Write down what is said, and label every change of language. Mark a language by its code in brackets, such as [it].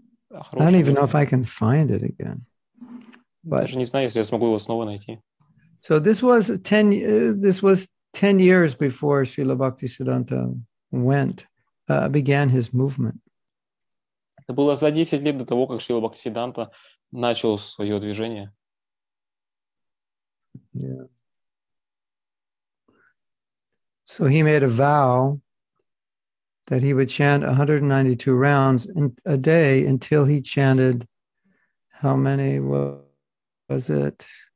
[en] I don't even know if I can find it again. [ru] But, даже не знаю, если я смогу его снова найти. [en] So this was 10 years before Srila Bhaktisiddhanta began his movement. [ru] Это было за 10 лет до того, как Шрила Бхактисиддханта начал свое движение. [en] Yeah. So he made a vow that he would chant 192 rounds a day until he chanted how many was it?